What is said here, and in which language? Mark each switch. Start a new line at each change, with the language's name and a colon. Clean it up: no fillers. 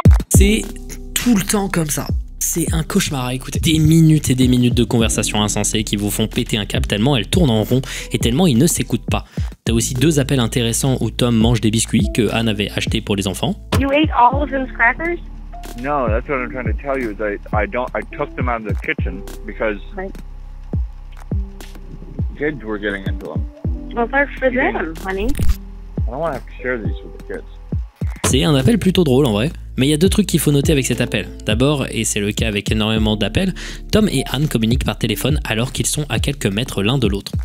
French: C'est tout le temps comme ça. C'est un cauchemar à écouter. Des minutes et des minutes de conversations insensées qui vous font péter un câble tellement elles tournent en rond et tellement ils ne s'écoutent pas. T'as aussi deux appels intéressants où Tom mange des biscuits que Anne avait achetés pour les enfants.
English: You ate all of those crackers? No, that's what I'm trying to tell you. I took them out of the kitchen because kids were getting into them. Well, they're for them, honey. I don't want to have to share these with the kids.
French: C'est un appel plutôt drôle en vrai. Mais il y a deux trucs qu'il faut noter avec cet appel. D'abord, et c'est le cas avec énormément d'appels, Tom et Anne communiquent par téléphone alors qu'ils sont à quelques mètres l'un de l'autre.